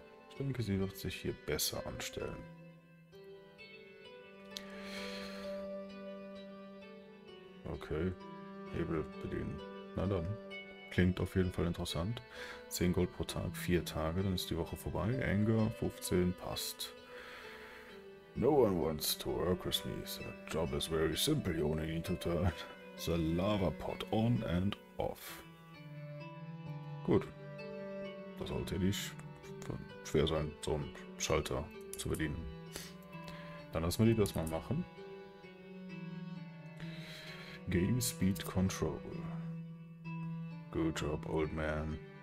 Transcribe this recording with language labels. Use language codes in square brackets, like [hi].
[de] Ich denke, sie wird sich hier besser anstellen. Okay, Hebel bedienen. Na dann. Klingt auf jeden Fall interessant. 10 Gold pro Tag, 4 Tage, dann ist die Woche vorbei. Anger, 15, passt. [en] No one wants to work with me. The job is very simple, you only need to turn the lava pot on and off. [de] Gut. Das sollte nicht schwer sein, so einen Schalter zu bedienen. Dann lassen wir die das mal machen. [en] Game Speed Control. Good job, old man.